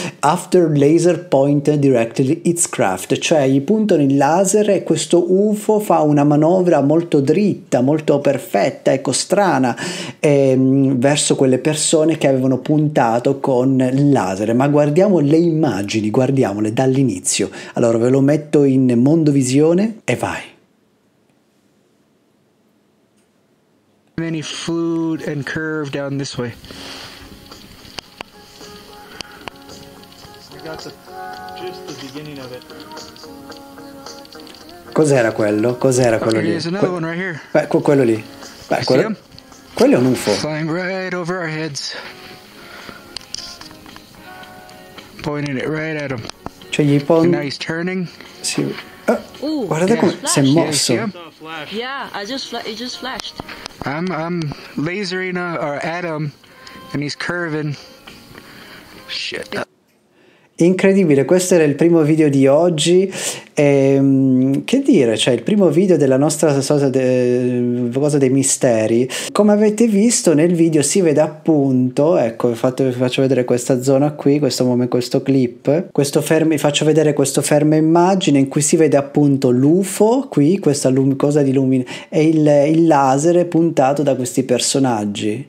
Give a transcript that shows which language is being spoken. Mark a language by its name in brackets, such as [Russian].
[English] after laser pointed directly its craft, [Italian] cioè gli puntano il laser e questo UFO fa una manovra molto dritta, molto perfetta, ecco, strana, verso quelle persone che avevano puntato con il laser. Ma guardiamo le immagini, guardiamole dall'inizio. Allora ve lo metto in mondo visione e vai. [English] And then he flew and curved down this way. We got just the beginning of it. [Italian] Cos'era quello? Cos'era quello lì? [English] Another one right here. [Italian] Quello lì. Beh, quello. Quello è un UFO. [English] Flying right over our heads. Pointing it right at him. [Italian] Cioè gli pone. [English] And now he's turning. [Italian] Sì. Guardate come si è mosso. [English] Yeah, it just flashed. I'm lasering at him and he's curving. Shit. [Italian] Incredibile, questo era il primo video di oggi. Che dire, cioè il primo video della nostra cosa dei misteri. Come avete visto nel video si vede appunto, ecco, faccio vedere questa zona qui, questo momento, questo clip, questo fermo, faccio vedere questo fermo immagine in cui si vede appunto l'UFO qui, questa cosa di lumina e il laser puntato da questi personaggi.